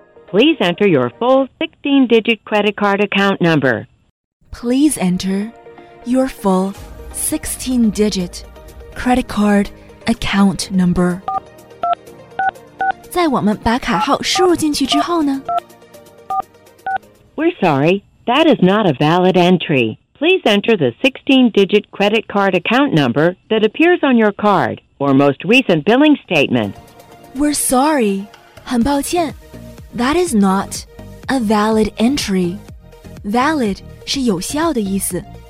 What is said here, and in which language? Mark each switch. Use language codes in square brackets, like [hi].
[en] Please enter your full 16-digit credit card account number. Please enter your full 16-digit credit card account number. [zh] 在我们把卡号输入进去之后呢？ [en] We're sorry, that is not a valid entry. Please enter the 16-digit credit card account number that appears on your card or most recent billing statement. We're sorry, [zh] 很抱歉。 [en] That is not a valid entry. [zh] Valid 是有效的意思。